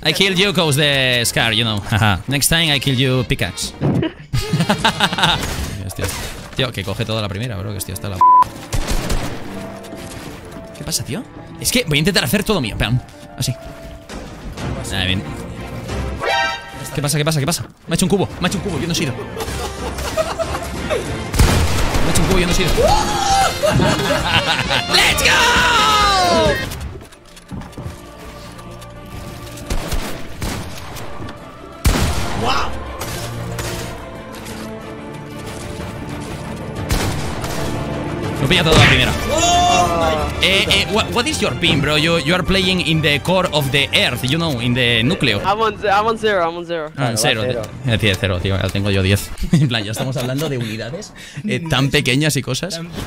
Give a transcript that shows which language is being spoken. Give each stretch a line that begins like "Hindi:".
English: I killed you cause the scar, you know. Next time I kill you pickaxe.
Spanish: Hostia. Tío, que coge toda la primera, bro. Que hostia, está la p***. ¿Qué pasa, tío? Es que voy a intentar hacer todo mío. Pam. Así. Nada, bien. ¿Qué pasa? ¿Qué pasa? ¿Qué pasa? Me ha hecho un cubo. Me ha hecho un cubo. Yo no he sido. Me ha hecho un cubo. Yo no he sido.
English: ¡Let's go! ¡Wow!
Spanish: Lo pilla todo a la primera.
English: What is your ping, bro? You are playing in the core of the earth, you know, in the núcleo. I'm on zero.
Spanish: Ah, en cero. Cero, tío, ya tengo yo 10. En plan, ya estamos hablando de unidades tan pequeñas y cosas.